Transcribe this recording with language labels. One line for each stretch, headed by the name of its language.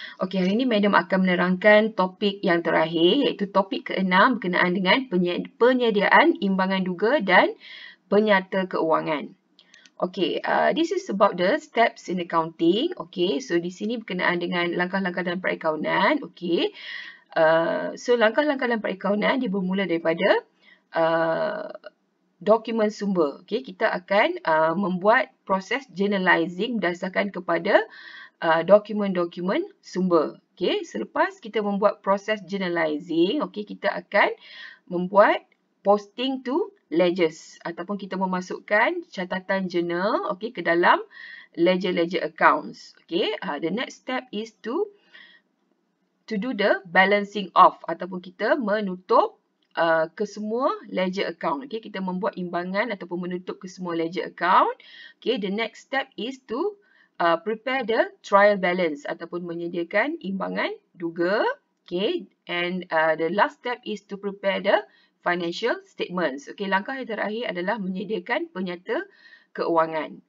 Malay: Okay, hari ini Madam akan menerangkan topik yang terakhir, iaitu topik ke-6 berkenaan dengan penyediaan imbangan duga dan penyata keuangan.
English: Okay, this is about the steps in accounting.
Malay: Okay, so di sini berkenaan dengan langkah-langkah dalam perakaunan. Okay. So, langkah-langkah dalam perakaunan dia bermula daripada dokumen sumber. Okay, kita akan membuat proses generalizing berdasarkan kepada dokumen-dokumen sumber. Okay, selepas kita membuat proses generalizing, okay, kita akan membuat
English: posting to ledgers
Malay: ataupun kita memasukkan catatan jurnal, okay, ke dalam ledger-ledger accounts.
English: Okay, the next step is to do the balancing off
Malay: ataupun kita menutup kesemua
English: ledger account.
Malay: Okay, kita membuat imbangan ataupun menutup kesemua ledger account. Okay,
English: the next step is to prepare the trial balance
Malay: ataupun menyediakan imbangan duga.
English: Okay, and the last step is to prepare the financial statements.
Malay: Okay, langkah yang terakhir adalah menyediakan penyata keuangan.